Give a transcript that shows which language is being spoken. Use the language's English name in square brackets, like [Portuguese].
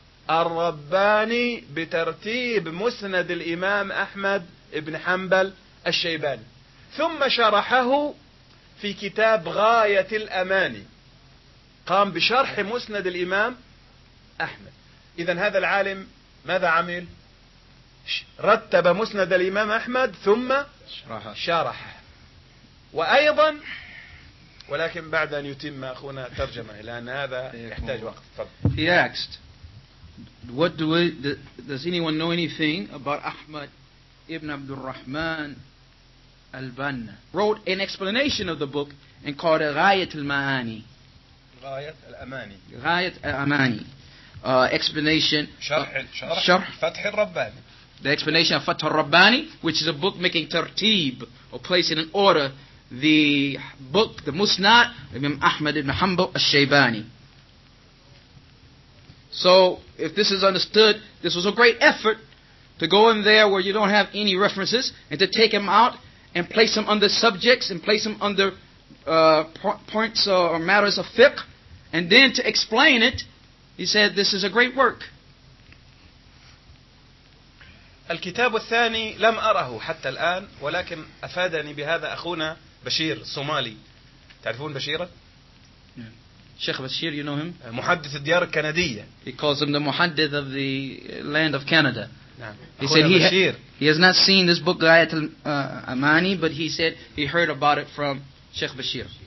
[Arabic] الرباني بترتيب مسند الإمام أحمد ابن حنبل الشيباني، ثم شرحه في كتاب غاية الأماني، قام بشرح مسند الإمام أحمد. إذن هذا العالم ماذا عمل؟ رتب مسند الإمام أحمد ثم شرحه، وأيضا ولكن بعد أن يتم أخونا ترجمة، لأن هذا يحتاج وقت. [English] He asked, "What do we, does anyone know anything about Ahmad ibn Abdul Rahman al-Banna? Wrote an explanation of the book and called it Ghayat al-Ma'ani." Ghayat al-Amani. Ghayat al-Amani. Explanation. Sharh. Fath al-Rabbani. The explanation of Fath al-Rabbani, which is a book making tartib, or placing in order the book, the Musnad of Imam Ahmad ibn Hanbal al-Shaybani. So, if this is understood, this was a great effort to go in there where you don't have any references and to take them out and place them under subjects and place them under points or matters of fiqh, and then to explain it. He said, "This is a great work." [Arabic] الكتاب الثاني لم أره حتى الآن، ولكن أفادني بهذا أخونا بشير الصومالي. تعرفون بشيرة؟ [English] شيخ بشير, you know him? [Arabic] محدث الديار الكندية. [English] He calls him the محدث of the land of Canada. [Arabic] نعم. [English] He said بشير. He has not seen this book غاية الأماني, but he said he heard about it from شيخ بشير.